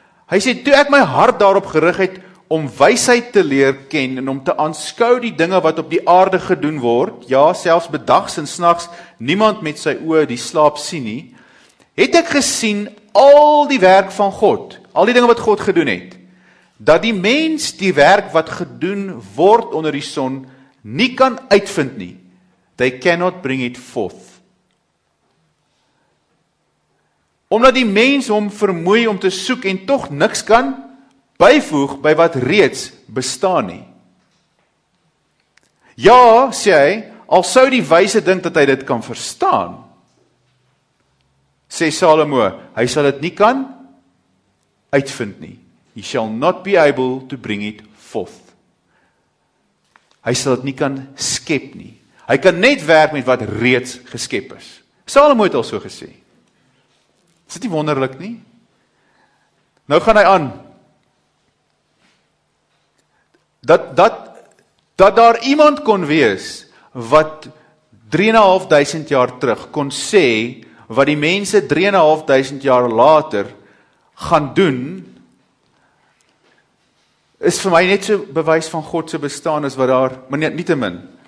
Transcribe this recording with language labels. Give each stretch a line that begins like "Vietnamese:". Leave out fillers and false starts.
Afrikaans: Hy sê, toe ek my hart daarop gerig het om wysheid te leer ken en om te aanskou die dinge wat op die aarde gedoen word, ja, selfs bedags en snags niemand met sy oë die slaap sien nie, het ek gesien al die werk van God, al die dinge wat God gedoen het, dat die mens die werk wat gedoen word onder die son, nie kan uitvind nie.
English: They cannot bring it forth.
Afrikaans: Omdat die mens hom vermoei om te soek en tog niks kan byvoeg by wat reeds bestaan nie. Ja, sê hy, al sou die wyse dink dat hy dit kan verstaan, sê Salomo, hy sal dit nie kan uitvind nie.
English: He shall not be able to bring it forth.
Afrikaans: Hy sal dit nie kan skep nie. Hy kan net werk met wat reeds geskep is. Salomo het al so gesê. Is dit nie wonderlik nie? Nou gaan hy aan. Dat daar iemand kon wees wat 3,500 jaar terug kon sê wat die mense 3,500 jaar later gaan doen, is vir my net so bewys van God se bestaan as wat daar, maar nie te min.